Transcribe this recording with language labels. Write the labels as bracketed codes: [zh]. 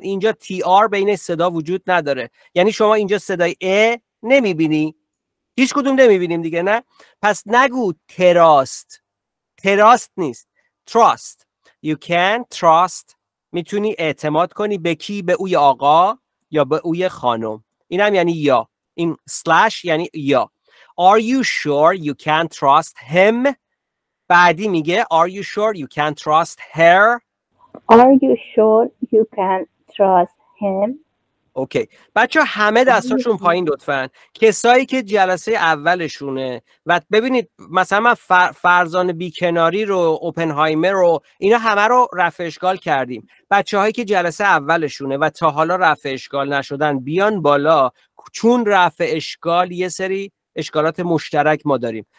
[fa] اینجا تی آر بین صدا وجود نداره، یعنی شما اینجا صدای ا نمیبینی، هیچ کدوم نمیبینیم دیگه، نه؟ پس نگو تراست نیست، تراست. [en] You can trust. [fa] میتونی اعتماد کنی به کی؟ به اوی آقا یا به اوی خانم. اینم یعنی یا، این سلاش یعنی یا. [en] Are you sure you can trust him؟ [fa] بعدی میگه [en] Are you sure you can trust her؟ Are you sure you can trust him? [fa] اوکی. بچه همه دستاشون پایین لطفاً. کسایی که جلسه اولشونه و ببینید مثلا من فرزان بیکناری رو، اوپنهایمر رو، اینا همه رو رفع اشکال کردیم. بچه هایی که جلسه اولشونه و تا حالا رفع اشکال نشدن بیان بالا، چون رفع اشکال یه سری اشکالات مشترک ما داریم.